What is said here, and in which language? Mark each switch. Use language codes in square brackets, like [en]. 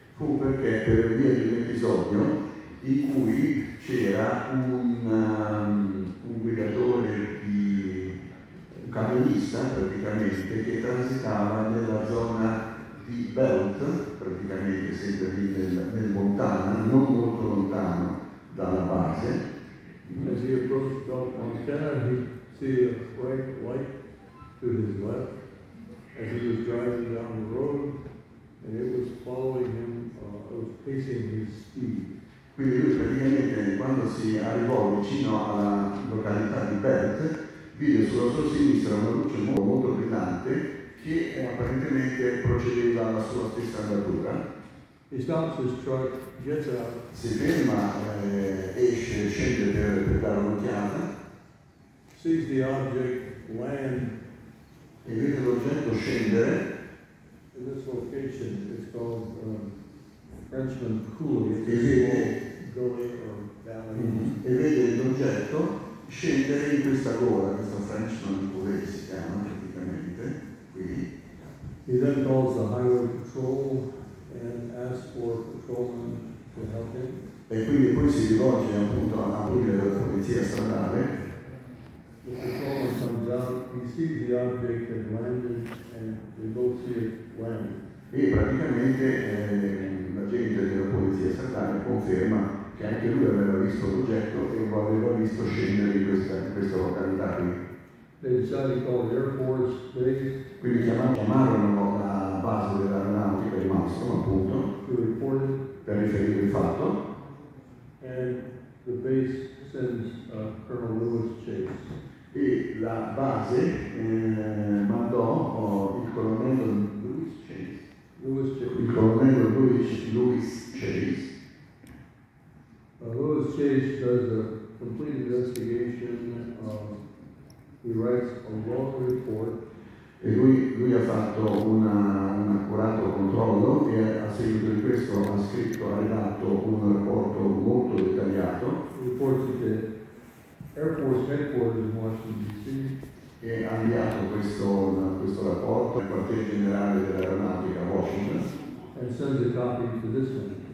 [it] Fu perché per via di un episodio in cui c'era un guidatore di un camionista praticamente che transitava nella zona di Belt, praticamente sempre lì nel Montana, non molto lontano dalla base. [en] As he approached Belt, Montana, he see a bright light to his left as he was driving down the road, and it was following him, it was pacing his speed. [it] Quindi lui praticamente quando si arrivò vicino alla località di Belt, vide sulla sua sinistra una luce molto, molto brillante che apparentemente procedeva alla sua stessa andatura. [en] He stops his truck, gets out. [it] Si ferma, esce, scende per dare un'occhiata. [en] Sees the object land. [it] E vede l'oggetto scendere. [en] In this location it's called Frenchman Coulee. [it] E vede [en] gully or valley. Mm-hmm. [it] E vede l'oggetto scendere in questa gola, questa Frenchman Coulee si chiama praticamente. Qui. [en] He then calls the highway patrol and ask for patrolmen to help him. [it] E quindi poi si rivolge appunto alla polizia stradale. [en] The patrolman comes out, he sees the object and landed, and they both see it landing. [it] E praticamente l'agente della polizia stradale conferma che anche lui aveva visto l'oggetto e lo aveva visto scendere in questa località qui. [en] They decided to call the Air Force base. [it] Quindi chiamarono la base dell'aeronautica di Malmstrom, appunto, [en] to report it, [it] per riferire il fatto. [en] And the base sends Colonel Lewis Chase. [it] E la base mandò il colonnello Lewis Chase. [en] Lewis Chase. [it] Il colonnello Lewis Chase. [en] Lewis Chase does a complete investigation. He writes a long report. [it] E lui ha fatto un accurato controllo e a seguito di questo ha redatto un rapporto molto dettagliato. [en] Reports it to Air Force Headquarters in Washington D.C. [it] E ha inviato questo rapporto al quartier generale dell'aeronautica a Washington. [en] And sends a copy to this one.